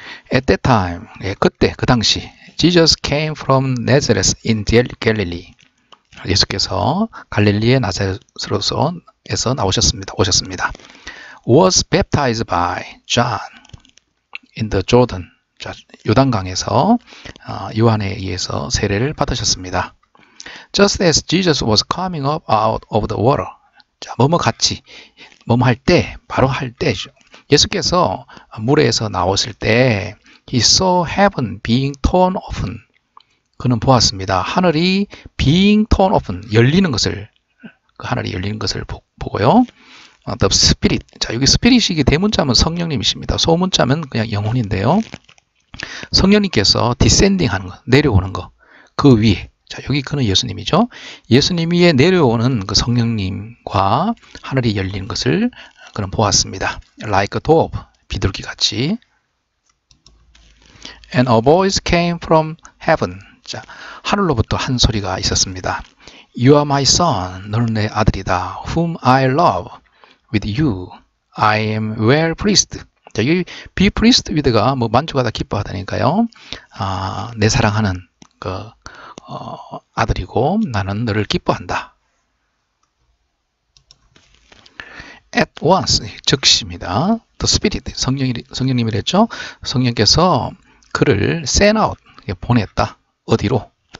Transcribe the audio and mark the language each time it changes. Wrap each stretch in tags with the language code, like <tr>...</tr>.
<en>At that time</en> <ko>그때 그 당시</ko> <en>Jesus came from Nazareth in Galilee.</en> <ko>예수께서 갈릴리의 나사렛에서 나오셨습니다.</ko> <en>Was baptized by John. in the Jordan.</en> <ko>자, 요단강에서 요한에 의해서 세례를 받으셨습니다.</ko> <en>Just as Jesus was coming up out of the water.</en> <ko>자, 뭐뭐 같이, 뭐뭐 할 때, 바로 할 때죠. 예수께서 물에서 나오실 때,</ko> <en>He saw heaven being torn open.</en> <ko>그는 보았습니다. 하늘이</ko> <en>being torn open,</en> <ko>열리는 것을, 그 하늘이 열리는 것을 보고요. The Spirit. 자, 여기 Spirit이 대문자면 성령님이십니다. 소문자면 그냥 영혼인데요. 성령님께서 descending 하는 거, 내려오는 거, 그 위에. 자, 여기 그는 예수님이죠. 예수님 위에 내려오는 그 성령님과 하늘이 열리는 것을 그는 보았습니다.</ko> <en>Like a dove,</en> <ko>비둘기 같이.</ko> <en>And a voice came from heaven.</en> <ko>자, 하늘로부터 한 소리가 있었습니다.</ko> <en>You are my son,</en> <ko>너는 내 아들이다.</ko> <en>Whom I love with you, I am well pleased.</en> <ko>자, 여기 be pleased with가 뭐 만족하다, 기뻐하다니까요. 아, 내 사랑하는 그 아들이고 나는 너를 기뻐한다.</ko> <en>At once, 즉시입니다. The Spirit, 성령님이랬죠?</en> <ko>성령께서 그를 send out, 보냈다. 어디로?</ko>